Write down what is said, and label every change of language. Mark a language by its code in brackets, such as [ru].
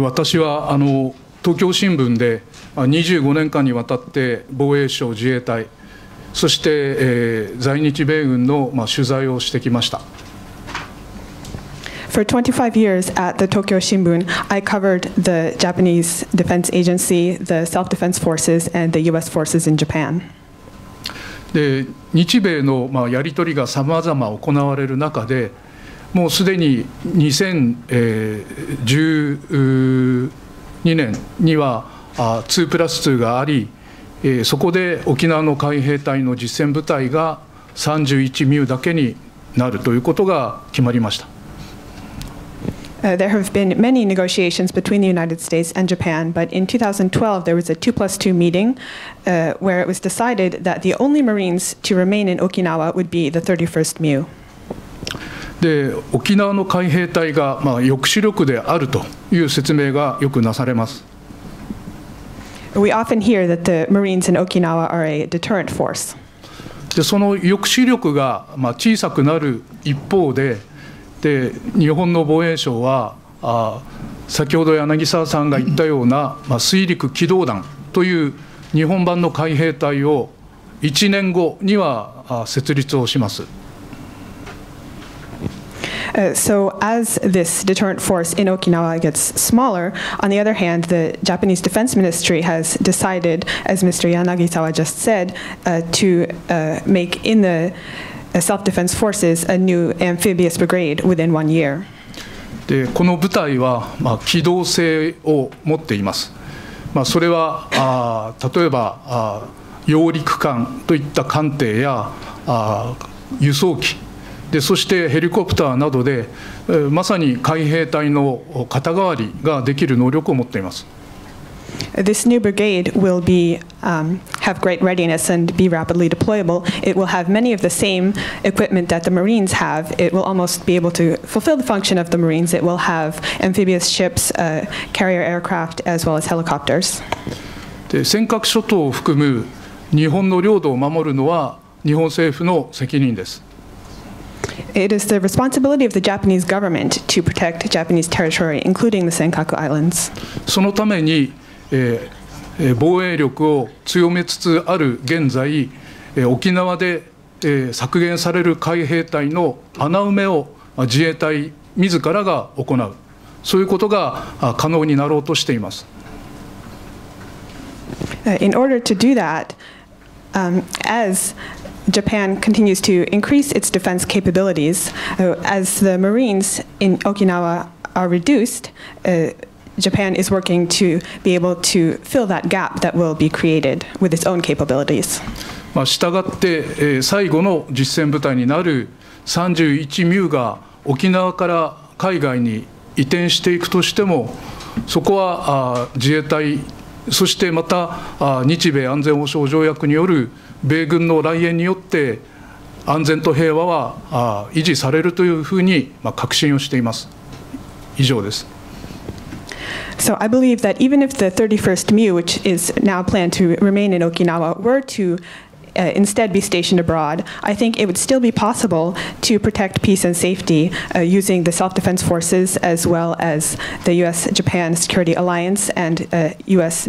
[ja] 私は東京新聞で25年間にわたって防衛省自衛隊そして、在日米軍の、まあ、取材をしてきました。 [en] For 25 years at the Tokyo Shimbun, I covered the Japanese Defense Agency, the Self-Defense Forces, and the U.S. forces in Japan. [ja] で、日米の、まあ、やり取りがさまざま行われる中で、もうすでに2012年には2プラス2があり、そこで沖縄の海兵隊の実戦部隊が31ミューだけになるということが決まりました。 [en] There have been many negotiations between the United States and Japan, but in 2012 there was a 2+2 meeting, where it was decided that the only Marines to remain in Okinawa would be the 31st Mew. [ja] で、沖縄の海兵隊が、まあ、抑止力であるという説明がよくなされます。 [en] We often hear that the Marines in Okinawa are a deterrent force. [ja] で、その抑止力が、まあ、小さくなる一方で、で日本の防衛省は先ほど柳沢さんが言ったような、まあ、水陸機動団という日本版の海兵隊を1年後には設立をします。 [en] So as this deterrent force in Okinawa gets smaller, on the other hand, the Japanese Defense Ministry has decided, as Mr. Yanagisawa just said, to make in the Self-Defense Forces a new amphibious brigade within 1 year. [ja] で、この部隊は、まあ、機動性を持っています。まあ、それは例えば揚陸艦といった艦艇や輸送機で、そしてヘリコプターなどで、まさに海兵隊の肩代わりができる能力を持っています。 [en] This new brigade will be, have great readiness and be rapidly deployable. It will have many of the same equipment that the Marines have. It will almost be able to fulfill the function of the Marines. It will have amphibious ships, carrier aircraft, as well as helicopters. [ja] で、尖閣諸島を含む日本の領土を守るのは、日本政府の責任です。 [en] It is the responsibility of the Japanese government to protect Japanese territory, including the Senkaku Islands. [ja] そのために、防衛力を強めつつある現在、沖縄で、削減される海兵隊の穴埋めを自衛隊自らが行う、そういうことが可能になろうとしています。 [en] In order to do that, as Japan continues to increase its defense capabilities, as the Marines in Okinawa are reduced, Japan is working to be able to fill that gap that will be created with its own capabilities. [ja] まあ、したがって、最後の実戦部隊になる31ミューが沖縄から海外に移転していくとしても、そこは自衛隊、そしてまた日米安全保障条約による米軍の来援によって安全と平和は維持されるというふうに確信をしています。以上です。 [en] So I believe that even if the 31st MU, which is now planned to remain in Okinawa, were to instead be stationed abroad, I think it would still be possible to protect peace and safety using the self-defense forces as well as the U.S.-Japan Security Alliance and U.S.